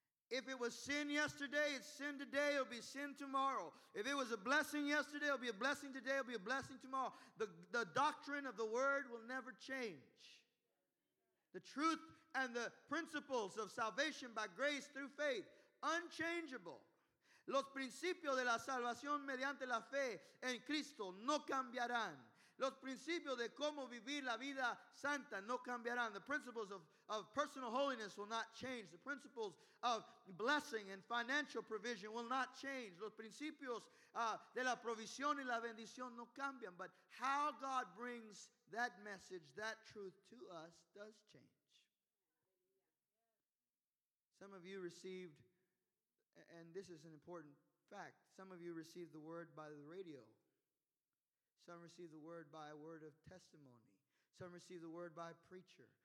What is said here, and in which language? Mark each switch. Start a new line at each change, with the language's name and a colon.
English: If it was sin yesterday, it's sin today, it'll be sin tomorrow. If it was a blessing yesterday, it'll be a blessing today, it'll be a blessing tomorrow. The doctrine of the word will never change. The truth and the principles of salvation by grace through faith, unchangeable.
Spanish: Los principios de la salvación mediante la fe en Cristo no cambiarán. Los principios de cómo vivir la vida santa no cambiarán.
English: The principles of personal holiness will not change. The principles of blessing and financial provision will not change.
Spanish: Los principios de la provisión y la bendición no cambian.
English: But how God brings that message, that truth to us does change. Some of you received, and this is an important fact, some of you received the word by the radio. Some receive the word by a word of testimony. Some receive the word by a preacher.